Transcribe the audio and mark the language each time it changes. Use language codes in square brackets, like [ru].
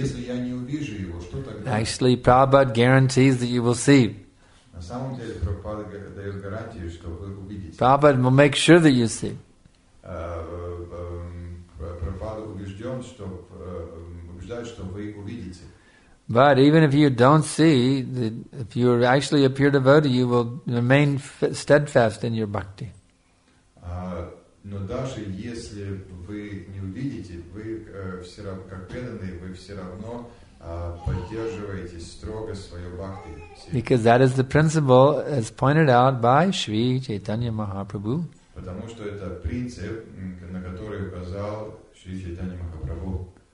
[ru] если я не увижу его, что тогда? [en] Actually, Prabhupada guarantees that you will see. [ru] На самом деле, Прабхупада дает гарантию, что вы увидите. [en] Prabhupada will make sure that you see. [ru] Прабхупада убежден, что убеждают, что вы увидите. [en] But even if you don't see, if you are actually a pure devotee, you will remain steadfast in your bhakti. [ru] Но даже если вы не увидите, вы все равно, как преданные, вы все равно поддерживаете строго свою бхакти. [en] Because that is the principle as pointed out by Shri Chaitanya Mahaprabhu. [ru] Потому что это принцип, на который указал Шри Чайтанья Махапрабху.